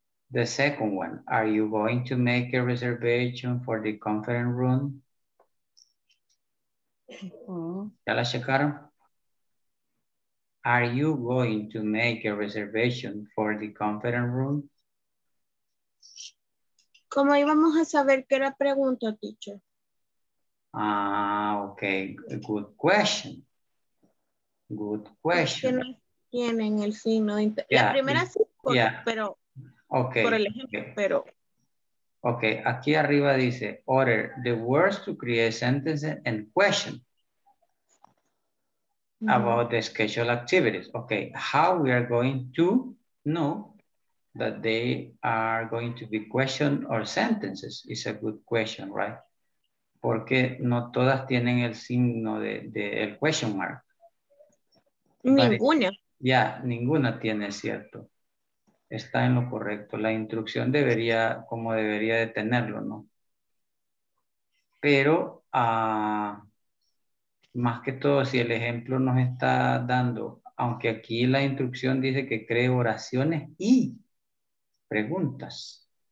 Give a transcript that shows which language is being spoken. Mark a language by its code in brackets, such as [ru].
[en] The second one, are you going to make a reservation for the conference room? [es] ¿Ya la checaron? [en] Are you going to make a reservation for the conference room? [es] ¿Cómo íbamos a saber qué era pregunta, teacher? [en] Ah, okay, good question. Good question. [es] Tienen el signo de la primera sí, pero [en] okay. [es] Por el ejemplo, okay. Pero [en] okay, [es] aquí arriba dice [en] order the words to create sentences and question about the scheduled activities. Okay, how we are going to know that they are going to be question or sentences is a good question, right? [es] Porque no todas tienen el signo de el question mark. Ninguna. Ya, ninguna tiene, cierto. Está en lo correcto. La instrucción debería, como debería de tenerlo, ¿no? Pero, más que todo, si el ejemplo nos está dando, aunque aquí la instrucción dice que cree oraciones y preguntas.